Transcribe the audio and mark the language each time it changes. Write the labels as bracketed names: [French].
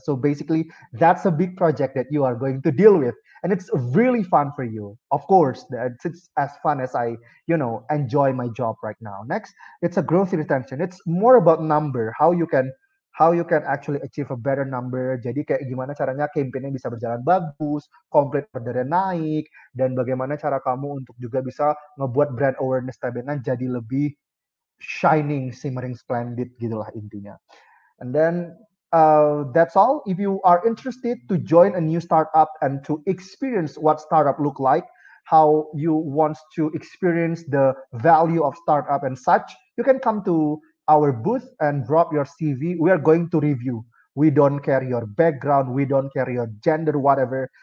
[English] So basically that's a big project that you are going to deal with and it's really fun for you. Of course, it's as fun as I, you know, enjoy my job right now. Next, it's a growth retention. It's more about number, how you can actually achieve a better number. [Indonesian] Jadi kayak gimana caranya campaign-nya bisa berjalan bagus, complete order-nya naik, dan bagaimana cara kamu untuk juga bisa ngebuat brand awareness Tebengan jadi lebih [English] shining, shimmering, splendid, [Indonesian] gitulah intinya. [English] And then, that's all. If you are interested to join a new startup and to experience what startup look like, how you want to experience the value of startup and such, you can come to our booth and drop your CV. We are going to review. We don't care your background. We don't care your gender, whatever.